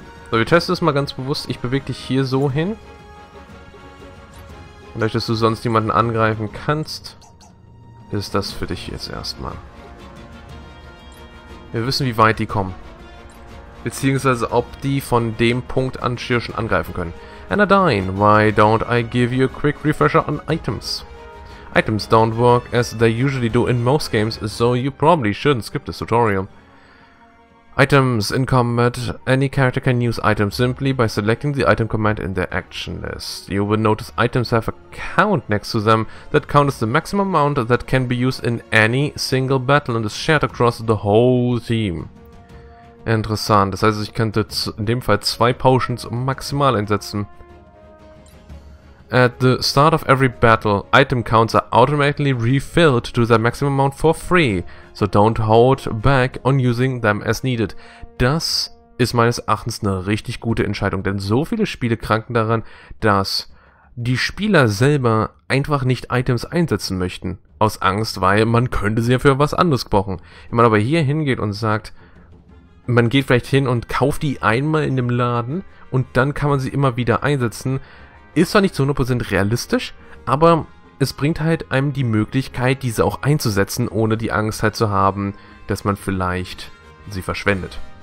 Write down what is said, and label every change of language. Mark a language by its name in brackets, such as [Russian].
[German] So, wir testen es mal ganz bewusst. Ich bewege dich hier so hin. Und dadurch, dass du sonst niemanden angreifen kannst, ist das für dich jetzt erstmal. Wir wissen, wie weit die kommen. Beziehungsweise, ob die von dem Punkt an hier schon angreifen können. [English] Anodyne, why don't I give you a quick refresher on items? Items don't work as they usually do in most games, so you probably shouldn't skip this tutorial. Items in combat. Any character can use items simply by selecting the item command in their action list. You will notice items have a count next to them that count as the maximum amount that can be used in any single battle and is shared across the whole team. [German] Interessant. Das heißt, ich könnte in dem Fall zwei Potions maximal einsetzen. [English] At the start of every battle, item counts are automatically refilled to their maximum amount for free, so don't hold back on using them as needed. [German] Das ist meines Erachtens eine richtig gute Entscheidung, denn so viele Spiele kranken daran, dass die Spieler selber einfach nicht Items einsetzen möchten, aus Angst, weil man könnte sie ja für was anderes brauchen. Wenn man aber hier hingeht und sagt, man geht vielleicht hin und kauft die einmal in dem Laden und dann kann man sie immer wieder einsetzen, ist zwar nicht zu 100% realistisch, aber es bringt halt einem die Möglichkeit, diese auch einzusetzen, ohne die Angst halt zu haben, dass man vielleicht sie verschwendet.